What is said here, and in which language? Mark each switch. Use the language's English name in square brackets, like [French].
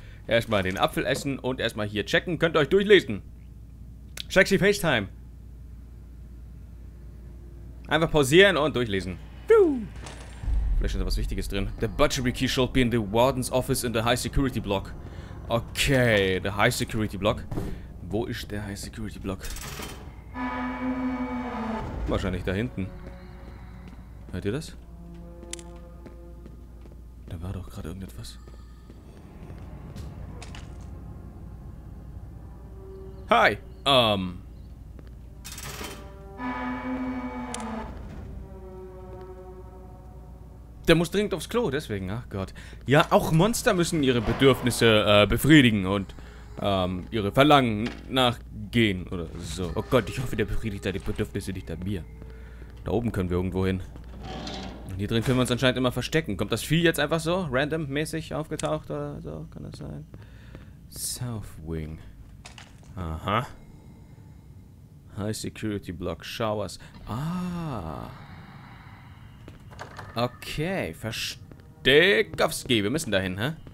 [German] Erstmal den Apfel essen und erstmal hier checken. Könnt ihr euch durchlesen. Sexy FaceTime. Einfach pausieren und durchlesen. Vielleicht ist da was Wichtiges drin. [English] The butchery key should be in the warden's office in the high security block. Okay, the high security block. [German] Wo ist der High Security Block? Wahrscheinlich da hinten. Hört ihr das? Da war doch gerade irgendetwas. Hi! Der muss dringend aufs Klo, deswegen, ach Gott. Ja, auch Monster müssen ihre Bedürfnisse befriedigen und ihre Verlangen nachgehen oder so. Oh Gott, ich hoffe, der befriedigt seine Bedürfnisse nicht an mir. Da oben können wir irgendwo hin. Und hier drin können wir uns anscheinend immer verstecken. Kommt das Vieh jetzt einfach so, random-mäßig aufgetaucht oder so? Kann das sein? South Wing. Aha. [English] High Security Block, Showers. Ah. [German] Okay, Versteckowski, wir müssen dahin, hä?